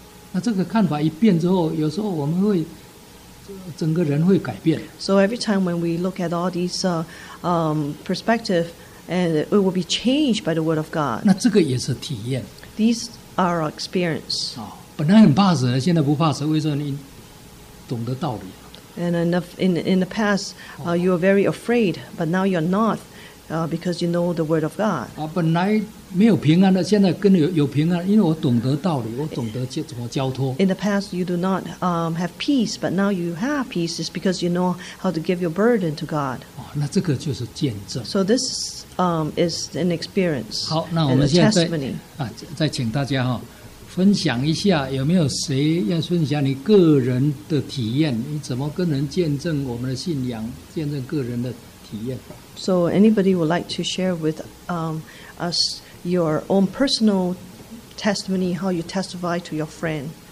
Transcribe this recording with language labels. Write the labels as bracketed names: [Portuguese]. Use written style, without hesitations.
[Chinese] 那这个看法一变之后，有时候我们会整个人会改变。 [English] So every time when we look at all these perspective, And it will be changed by the word of God. [Chinese] 那这个也是体验。 [English] These are our experience. [Chinese] 本来很怕死的，现在不怕死，为什么？你懂得道理。 [English] And in the past, you were very afraid, but now you're not, because you know the word of God. [Chinese] 本来没有平安的，现在跟有平安，因为我懂得道理，我懂得怎么交托。 [English] In the past, you do not have peace, but now you have peace, is because you know how to give your burden to God. [Chinese] 那这个就是见证。 [English] So this is an experience. [Chinese] 好，那我们现在再请大家分享一下，有没有谁要分享你个人的体验？你怎么跟人见证我们的信仰？见证个人的体验。 [English] So anybody would like to share with us your own personal testimony, how you testify to your friend?